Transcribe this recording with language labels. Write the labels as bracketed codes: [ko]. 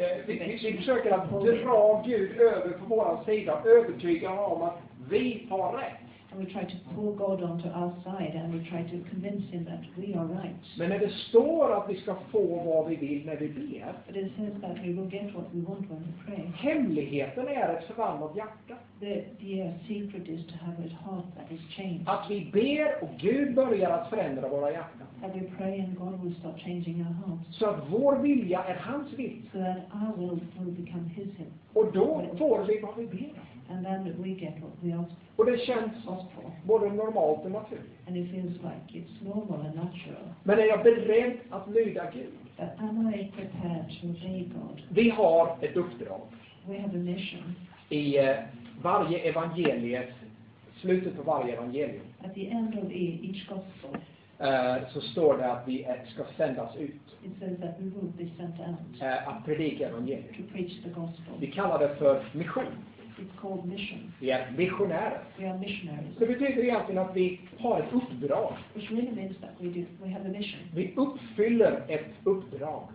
[sv] Vi försöker att dra Gud över på våran sida, övertyga om att vi har rätt. [en] And we try to pull God onto our side and we try to convince him that we are right. [sv] Men när det står att vi ska få vad vi vill när vi ber. [en] But it says that we will get what we want when we pray. [sv] Hemligheten är ett förvandlat hjärta. [en] The secret is to have a heart that is changed. [sv] Att vi ber och Gud börjar att förändra våra hjärtan. [en] That we pray and God will start changing our hearts. [sv] Så att vår vilja är hans vilja. [en] So that our will become his will. [sv] Och då får vi vad vi ber. [en] And then we get what we ask. [sv] Och det känns både normalt och naturligt. [en] And it feels like it's normal and natural. [sv] Men är jag beredd att lyda Gud? [en] But am I prepared to obey God? [sv] Vi har ett uppdrag. [en] We have a mission. [sv] I varje evangeliet, slutet på varje evangelium. [en] At the end of each gospel. [sv] Så står det att vi ska sändas ut. [en] It says that we will be sent out. [sv] Att predika evangeliet. [en] To preach the gospel. [sv] Vi kallar det för mission. [en] It's called mission. [sv] Vi är missionärer. [en] We are missionaries. [sv] Det betyder egentligen att vi har ett uppdrag. [en] Which really means that we have a mission. [sv] Vi uppfyller ett uppdrag.